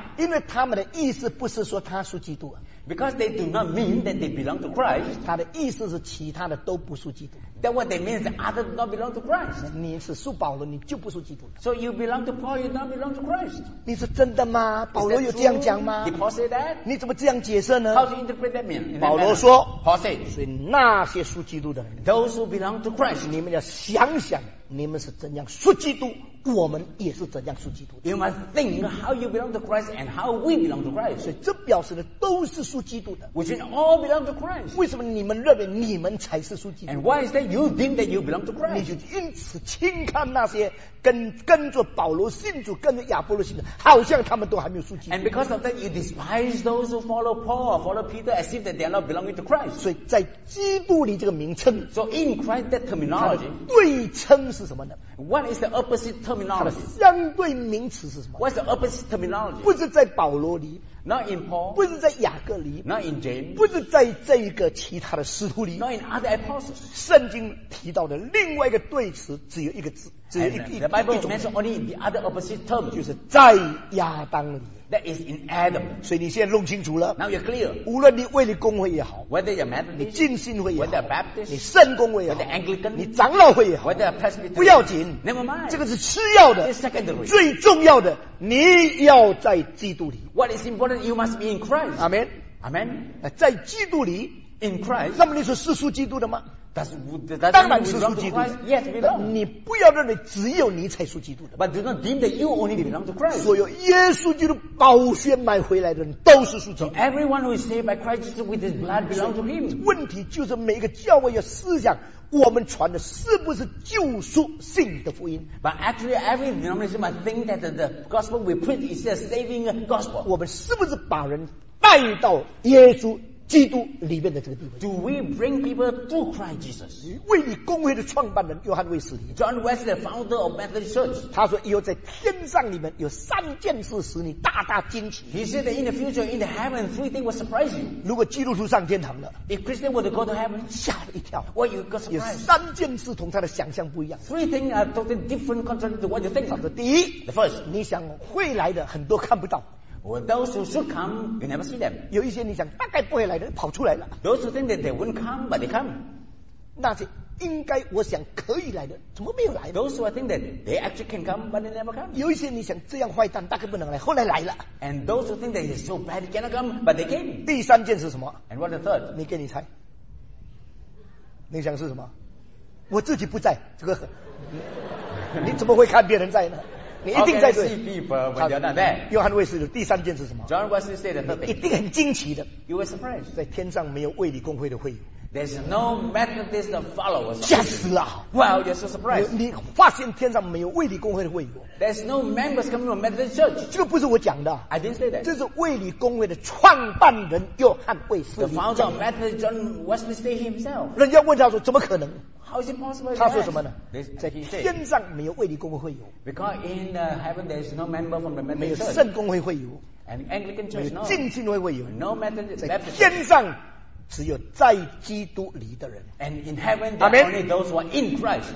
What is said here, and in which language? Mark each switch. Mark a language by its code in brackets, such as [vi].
[zh] 因为他们的意思不是说他是基督。 [en] Because they do not mean that they belong to Christ. [zh] 他的意思是其他的都不属基督。 [en] That what they mean is others do not belong to Christ. [zh] 你是属保罗，你就不属基督。 [en] So you belong to Paul, you do not belong to Christ. [zh] 你是真的吗？保罗有这样讲吗 [en] ？Did Paul say that? [zh] 你怎么这样解释呢 [en] ？How do you interpret that mean? [zh] 保罗说 [en] ，Paul said， [zh] 所以那些属基督的人 [en] ，those who belong to Christ， [zh] 你们要想想，你们是怎样属基督，我们也是怎样属基督。 [en] You must think how you belong to Christ and and how we belong to Christ. [zh] 所以这表示的都是属基督的。 [en] Which means all belong to Christ. [zh] 为什么你们认为你们才是属基督？ [en] And why is that you think that you belong to Christ? [zh] 你就因此轻看那些跟着保罗信主、跟着亚波罗信主，好像他们都还没有属基督。 [en] And because of that, you despise those who follow Paul or follow Peter as if that they are not belonging to Christ. [zh] 所以在基督里这个名称 [en] ，So in Christ that terminology， [zh] 对称是什么呢？ [en] What is the opposite terminology? [zh] 相对名词是什么？ [en] What's the opposite terminology? [zh] 不是在保罗里， [en] Not in Paul， [zh] 不是在雅各里， [en] Not in James， [zh] 不是在这一个其他的使徒里， [en] Not in other apostles。 [zh] 圣经提到的另外一个对词只有一个字，只有一个。 [en] The Bible mentions only the other opposite term， [zh] 就是在亚当里。 [en] That is in Adam. [zh] 所以你现在弄清楚了。 [en] Now you're clear. [zh] 无论你卫理公会也好 [en] ，Whether you're Methodist， [zh] 你浸信会也好 [en] ，Whether you're Baptist， [zh] 你圣公会也好 [en] ，Whether you're Anglican， [zh] 你长老会也好 [en] ，Whether you're Presbyterian， [zh] 不要紧 [en] ，Never mind。 [zh] 这个是次要的 [en] ，It's secondary。 [zh] 最重要的，你要在基督里。 [en] What is important? You must be in Christ. Amen. Amen. [zh] 在基督里 [en] ，In Christ。 [zh] 那么你是世俗基督的吗？当然是属基督的。 [en] Yes, we belong. [zh] 你不要认为只有你才属基督的。 [en] But do not deem that you only belong to Christ. [zh] 所有耶稣基督宝血买回来的人都是属基督的。 [en] Everyone who is saved by Christ Jesus with his blood belongs to him. [zh] 问题就是每个教会要思想，我们传的是不是救赎性的福音？ [en] But actually, every denomination must think that the gospel we preach is a saving gospel. [zh] 我们是不是把人带到耶稣？基督里面的这个地方。 [en] Do we bring people to Christ Jesus? [zh] 卫理公会的创办人约翰卫斯理。 [en] John Wesley, founder of Methodist Church. [zh] 他说以后在天上里面有三件事使你大大惊奇。 [en] He said that in the future, in the heaven, three things will surprise you. [zh] 如果基督徒上天堂了。 [en] If Christian were to go to heaven, [zh] 吓了一跳。 [en] What you got surprised? [zh] 有三件事同他的想象不一样。 [en] Three things are totally different contrary to what you think. [zh] 他说第一。 [en] The first. [zh] 你想会来的很多看不到。 [en] Well, those who should come, you never see them. [zh] 有一些你想大概不会来的跑出来了。 [en] Those who think that they won't come, but they come. [zh] 那些应该我想可以来的，怎么没有来？ [en] Those who I think that they actually can come, but they never come. [zh] 有一些你想这样坏蛋大概不能来，后来来了。 [en] And those who think that he's so bad, he cannot come, but they came. [zh] 第三件是什么？ [en] And what's the third? [zh] 你给你猜。你想是什么？我自己不在，这个你怎么会看别人在呢？你一定在对。 [en] Okay, see people when they're not there. [zh] 约翰卫斯理的第三件是什么？ [en] John Wesley said the third thing. [zh] 一定很惊奇的。 [en] You were surprised. [zh] 在天上没有卫理公会的会友。 [en] There's no Methodist followers. [zh] 吓死了。 [en] Well, you're so surprised. [zh] 你发现天上没有卫理公会的会友。 [en] There's no members coming from Methodist Church. [zh] 这个不是我讲的。 [en] I didn't say that. [zh] 这是卫理公会的创办人约翰卫斯理。 [en] The founder of Methodist John Wesley said himself. [zh] 人家问他说：“怎么可能？” [en] How is it possible? [zh] 他说什么呢？在天上没有卫理公会会友。 [en] Because in the heaven there is no member from the Methodist Church. [zh] 没有圣公会会友。 [en] And Anglican Church no. [zh] 浸信会会友。 [en] No Methodist. [zh] 在天上。只有在基督里的人。 [en] And in heaven, there are only those who are in Christ.